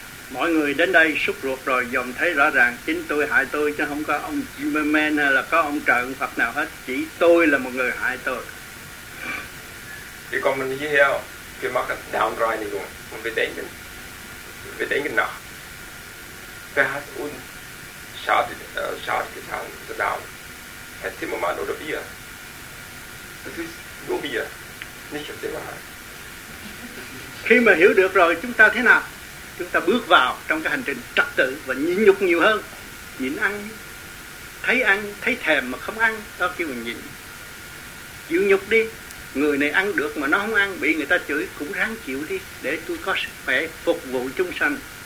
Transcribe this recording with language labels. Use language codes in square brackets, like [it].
[vi] Mọi người đến đây xúc ruột rồi dòm thấy rõ ràng chính tôi hại tôi chứ không có ông Zimmerman hay là có ông trời ông Phật nào hết, chỉ tôi là một người hại tôi. [de] Wir kommen hierher, wir machen Darmreinigung und wir denken nach. Wer hat uns Schaden getan, unser Darm? Herr Zimmermann oder wir? Das ist nur wir, nicht Herr Zimmermann. [vi] Khi mà hiểu được rồi chúng ta thế nào? Chúng ta bước vào trong cái hành trình trật tự và nhịn nhục nhiều hơn. Nhịn ăn, thấy thèm mà không ăn, đó kêu là nhịn. Chịu nhục đi, người này ăn được mà nó không ăn, bị người ta chửi cũng ráng chịu đi, để tôi có sức khỏe phục vụ chúng sanh.